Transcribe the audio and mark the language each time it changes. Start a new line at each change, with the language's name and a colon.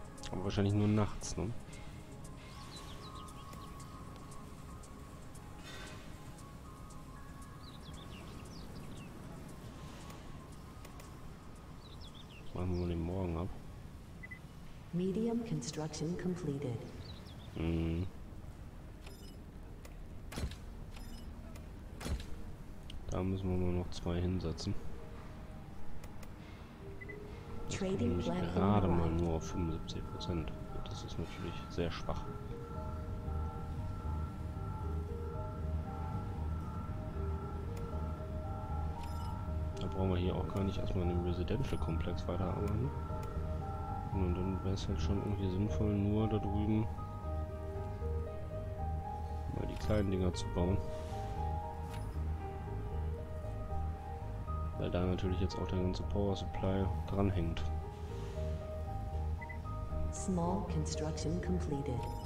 German: Aber wahrscheinlich nur nachts, ne? Machen wir mal den Morgen ab.
English: Medium construction completed.
German: Da müssen wir nur noch 2 hinsetzen.
English: Trading Black
German: gerade mal nur auf 75%. Das ist natürlich sehr schwach. Brauchen wir hier auch gar nicht erstmal einen Residential Complex weiterarbeiten. Und dann wäre es halt schon irgendwie sinnvoll, nur da drüben mal die kleinen Dinger zu bauen. Weil da natürlich jetzt auch der ganze Power Supply dranhängt.
English: Small construction completed.